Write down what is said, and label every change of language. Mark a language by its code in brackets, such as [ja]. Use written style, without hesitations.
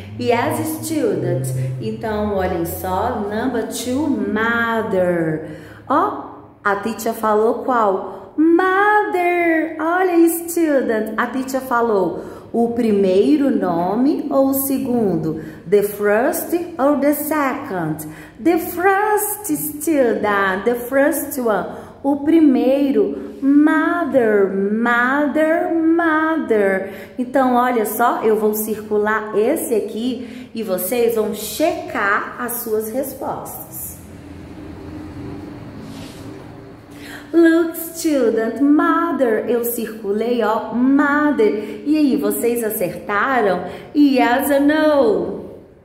[en] Yes, student. [pt] Então, olhem só. [en] Number two, mother. Ó, oh, a teacher [pt] falou qual? Mother, olha, student, a teacher falou o primeiro nome ou o segundo? [en] The first or the second? The first, student, the first one, [pt] o primeiro, [en] mother, mother, mother. [pt] Então, olha só, eu vou circular esse aqui e vocês vão checar as suas respostas. [en] Look, student, mother, [pt] eu circulei, [en] ó, mother. [pt] E aí, vocês acertaram? [en] Yes or no?